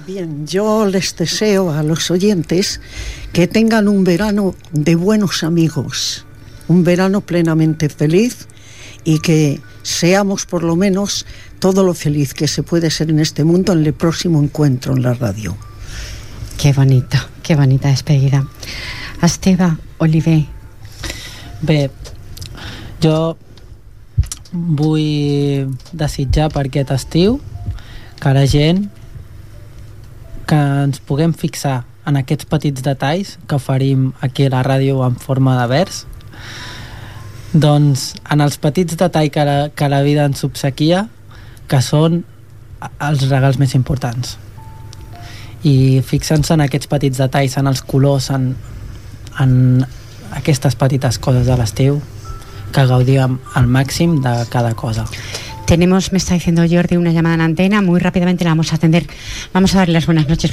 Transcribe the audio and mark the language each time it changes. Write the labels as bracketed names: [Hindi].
[Spanish] Bien, yo les deseo a los oyentes que tengan un verano de buenos amigos, un verano plenamente feliz, y que seamos por lo menos todo lo feliz que se puede ser en este mundo en el próximo encuentro en la radio. Qué bonito, qué bonita despedida. [Catalan] Esteve Oliver. Bé, jo vull desitjar per aquest estiu que la gent, que ens puguem fixar en aquests petits detalls que oferim aquí a la ràdio en forma de vers, doncs en els petits detalls que la vida ens obsequia, que són els regals més importants. I fixant-se en aquests petits detalls, en els colors, en aquestes petites coses de l'estiu, que gaudim al màxim de cada cosa. [Spanish] Tenemos, me está diciendo Jordi, una llamada en antena. Muy rápidamente la vamos a atender. Vamos a darle las buenas noches.